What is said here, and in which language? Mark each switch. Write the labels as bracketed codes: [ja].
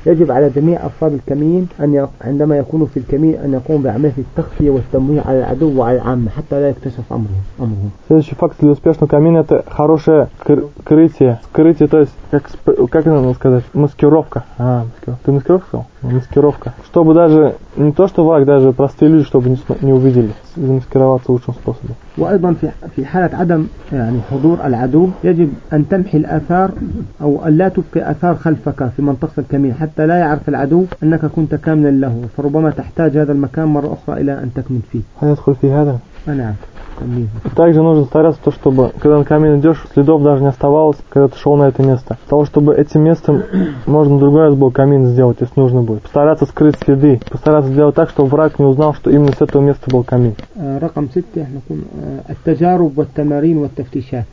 [ar] يجب على جميع أفراد الكمين أن عندما يكونوا في الكمين أن يقوموا بعملية التخفي والتمويه على العدو وعلى العامة حتى لا يكتشف أمرهم. [ru] следующий факт для успешного камина это хорошее скрытие, то есть как это надо сказать, маскировка. А, маскировка. Ты маскировку сказал? Маскировка. Чтобы даже не то что враг, даже простые люди, чтобы не увидели, замаскироваться лучшим способом. [ar] وأيضا في حالة عدم يعني حضور العدو يجب أن تمحي الآثار أو أن لا تبقي آثار خلفك في منطقة الكمين حتى لا يعرف العدو أنك كنت كاملا له، فربما تحتاج هذا المكان مرة أخرى إلى أن تكمن فيه. هل يدخل في هذا؟ نعم. [ru] Также нужно стараться то, чтобы когда на камень идешь, следов даже не оставалось, когда ты шел на это место. Для того, чтобы этим местом можно другой раз был камин сделать, если нужно будет. Постараться скрыть следы, постараться сделать так, чтобы враг не узнал, что именно с этого места был камин. [ar] Рقم 6 احنا كنا التجارب والتمارين والتفتيشات.